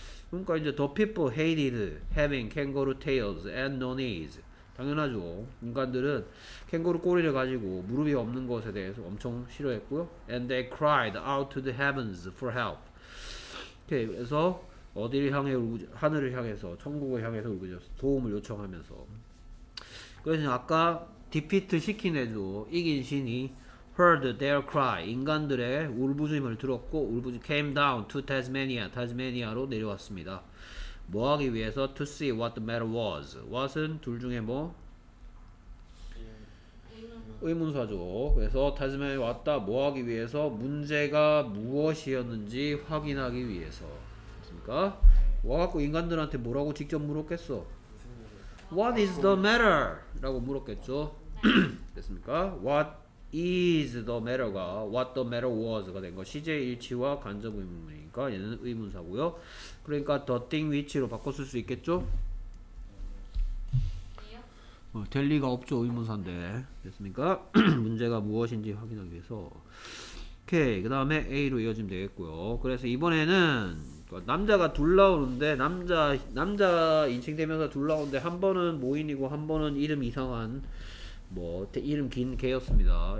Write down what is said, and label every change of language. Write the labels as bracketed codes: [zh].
[ko] 그러니까 이제 [en] the people hated having kangaroo tails and no knees. [ko] 당연하죠. 인간들은 캥거루 꼬리를 가지고 무릎이 없는 것에 대해서 엄청 싫어했고요. [en] And they cried out to the heavens for help. [ko] 오케이, 그래서 어디를 향해 하늘을 향해서 천국을 향해서 울부짖어서 도움을 요청하면서. 그래서 아까 defeat 시킨 애도 이긴 신이 [en] heard their cry. [ko] 인간들의 울부짐을 들었고 울부짐 [en] came down to Tasmania. [ko] 타스마니아로 내려왔습니다. 뭐 하기 위해서 [en] to see what the matter was. [ko] what은 둘 중에 뭐? 의문사죠. 그래서 타스마니아에 왔다. 뭐 하기 위해서 문제가 무엇이었는지 확인하기 위해서. 그러니까 와 갖고 인간들한테 뭐라고 직접 물었겠어? [en] What is the matter? [ko] 라고 물었겠죠. 됐습니까? [en] What is the matter가 what the matter was가 된 거. [ko] 시제 일치와 간접 의문이니까 얘는 의문사고요. 그러니까 the thing which로 바꿔 쓸 수 있겠죠? 될 리가 없죠. 의문사인데. 됐습니까? 문제가 무엇인지 확인하기 위해서. 오케이. 그 다음에 A로 이어지면 되겠고요. 그래서 이번에는 남자가 둘 나오는데 남자 인칭 되면서 둘 나오는데 한 번은 모인이고 한 번은 이름 이상한 뭐 이름 긴 개였습니다.